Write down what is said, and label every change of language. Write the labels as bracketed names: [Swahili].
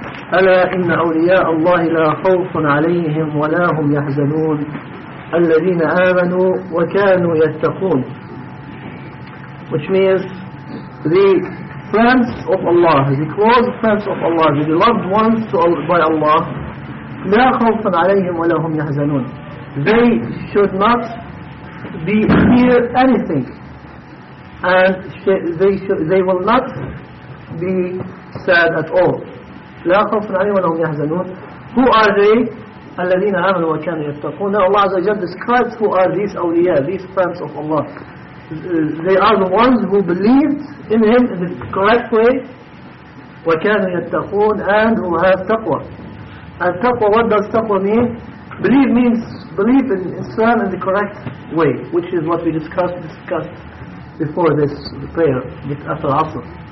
[Arabic] ألا إن أولياء الله لا خوف عليهم ولا هم يحزنون الذين آمنوا وكانوا يتقون. [English] Which means the friends of Allah, the close friends of Allah, the beloved ones by Allah, [Arabic] لا خوف عليهم ولا هم يحزنون. [English] They should not be fear anything, and they will not be sad at all. [Arabic] لا خوف عليهم ولا هم يحزنون. [English] Who are they? [Arabic] الذين آمنوا وكانوا يتقون. [English] Now Allah Azza wa Jalla describes who are these awliya, these friends of Allah. They are the ones who believed in Him in the correct way. [Arabic] وكانوا يتقون, [English] and who have taqwa. And taqwa, what does taqwa mean? Believe means belief in Islam in the correct way, which is what we discussed before this prayer, after Asr.